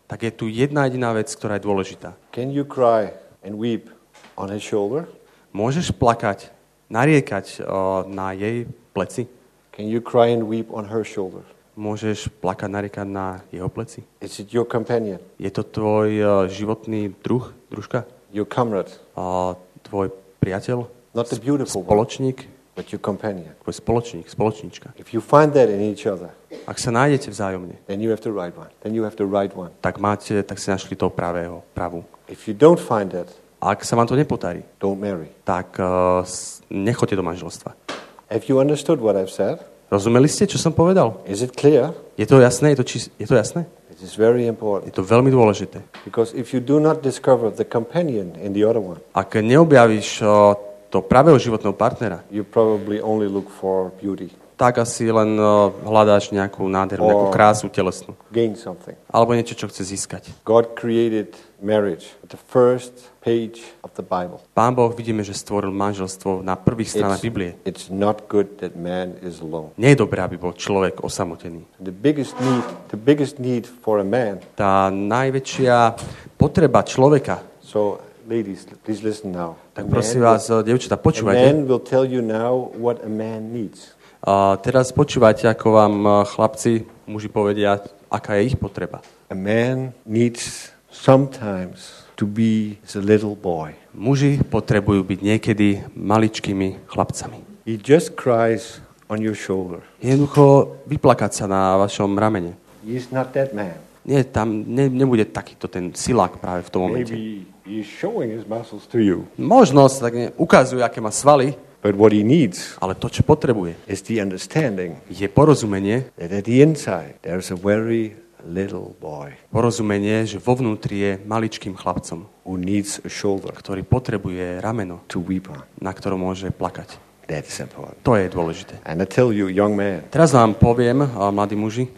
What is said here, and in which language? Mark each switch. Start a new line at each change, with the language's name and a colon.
Slovak: Tak je tu jedna jediná vec, ktorá je dôležitá.
English: Can you cry and weep on his shoulder?
Slovak: Môžeš plakať, nariekať na jej pleci?
English: Can you cry and weep on her shoulder?
Slovak: Môžeš plakať, nariekať na jeho pleci?
English: Is it your companion?
Slovak: Je to tvoj životný druh, družka?
English: Your comrade.
Slovak: Tvoj priateľ?
English: Not the beautiful
Slovak: spoločník,
English: one, but your companion.
Slovak: Tvoj spoločník, spoločníčka.
English: If you find that in each other.
Slovak: Ak sa nájdete vzájomne.
English: Then you have the right one. Then you have the right one.
Slovak: Tak si našli toho pravého, pravú.
English: If you don't find that.
Slovak: Ak sa vám to nepodarí.
English: Don't marry.
Slovak: Tak nechoďte do manželstva.
English: Have you understood what I've said?
Slovak: Rozumeli ste, čo som povedal?
English: Is it clear?
Slovak: Je to jasné? Je to jasné?
English: It is very important.
Slovak: Je to veľmi dôležité.
English: Because if you do not discover the companion in the other one.
Slovak: Ak neobjavíš to pravého životného partnera.
English: You probably only look for beauty.
Slovak: Tak asi len hľadáš nejakú nádheru, nejakú krásu telesnú.
English: Gain something.
Slovak: Alebo niečo, čo chceš získať.
English: God created marriage at the first page of the Bible.
Slovak: Pán Boh, vidíme, že stvoril manželstvo na prvých stranách Biblie.
English: It's not good that man is alone.
Slovak: Nie je dobré, aby bol človek osamotený.
English: The biggest need for a man.
Slovak: Tá najväčšia potreba človeka.
English: So ladies, please listen now.
Slovak: Tak prosím vás, dievčatá, počúvajte.
English: Man will tell you now what a man needs.
Slovak: Teraz počúvajte, ako vám chlapci, muži povedia, aká je ich potreba.
English: A man needs sometimes to be a little boy.
Slovak: Muži potrebujú byť niekedy maličkými chlapcami.
English: He just cries on your shoulder.
Slovak: Jednoducho vyplakať sa na vašom ramene.
English: He is not that man.
Slovak: Nie, tam nebude takýto ten silák práve v tom
English: Maybe
Slovak: momente.
English: Maybe he is showing his muscles to you.
Slovak: Možno sa tak ukazuje, aké má svaly.
English: But what he needs.
Slovak: Ale to, čo potrebuje.
English: Is the understanding.
Slovak: Je porozumenie.
English: That at the inside there is a very little boy.
Slovak: Porozumenie, že vo vnútri je maličkým chlapcom.
English: Who needs a shoulder.
Slovak: Ktorý potrebuje rameno.
English: To weep on.
Slovak: Na ktorom môže plakať.
English: That's important.
Slovak: To je dôležité.
English: And I tell you, young man.
Slovak: Teraz vám poviem, mladí muži.